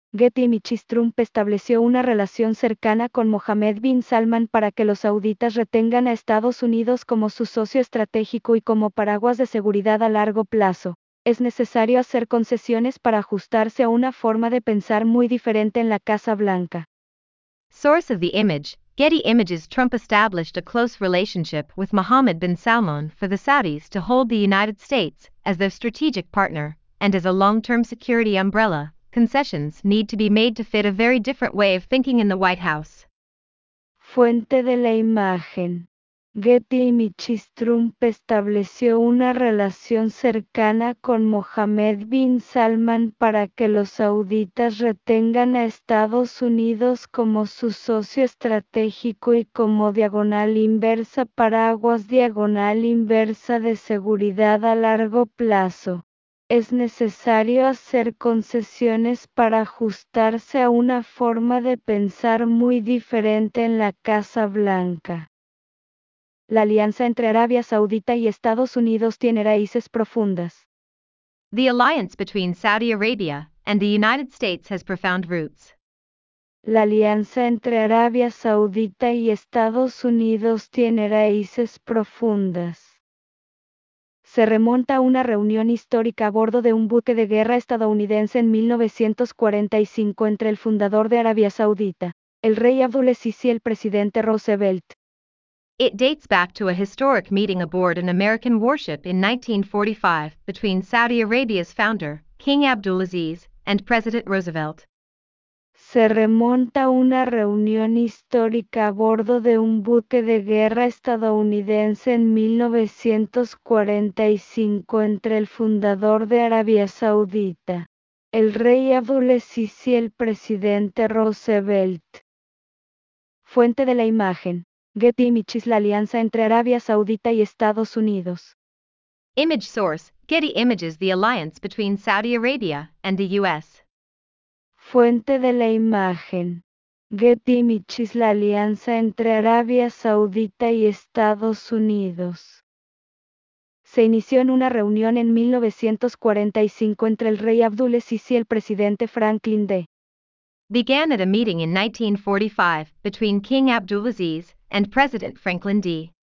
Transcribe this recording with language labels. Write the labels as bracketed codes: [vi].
[es] Getty Images Trump estableció una relación cercana con Mohammed bin Salman para que los sauditas retengan a Estados Unidos como su socio estratégico y como paraguas de seguridad a largo plazo. Es necesario hacer concesiones para ajustarse a una forma de pensar muy diferente en la Casa Blanca. [en] Source of the image, Getty Images. Trump established a close relationship with Mohammed bin Salman for the Saudis to hold the United States as their strategic partner, and as a long-term security umbrella, concessions need to be made to fit a very different way of thinking in the White House. [es] Fuente de la imagen. Getty Images. Trump estableció una relación cercana con Mohammed bin Salman para que los sauditas retengan a Estados Unidos como su socio estratégico y como diagonal inversa paraguas diagonal inversa de seguridad a largo plazo. Es necesario hacer concesiones para ajustarse a una forma de pensar muy diferente en la Casa Blanca. La alianza entre Arabia Saudita y Estados Unidos tiene raíces profundas. [en] The alliance between Saudi Arabia and the United States has profound roots. [es] La alianza entre Arabia Saudita y Estados Unidos tiene raíces profundas. Se remonta a una reunión histórica a bordo de un buque de guerra estadounidense en 1945 entre el fundador de Arabia Saudita, el rey Abdulaziz y el presidente Roosevelt. [en] It dates back to a historic meeting aboard an American warship in 1945 between Saudi Arabia's founder, King Abdulaziz, and President Roosevelt. [es] Se remonta a una reunión histórica a bordo de un buque de guerra estadounidense en 1945 entre el fundador de Arabia Saudita, el rey Abdulaziz y el presidente Roosevelt. Fuente de la imagen. Getty Images. La alianza entre Arabia Saudita y Estados Unidos. [en] Image source, Getty Images. The alliance between Saudi Arabia and the U.S. [es] Fuente de la imagen. Getty Images. La alianza entre Arabia Saudita y Estados Unidos. Se inició en una reunión en 1945 entre el rey Abdulaziz y el presidente Franklin D. [en] Began at a meeting in 1945 between King Abdulaziz and President Franklin D.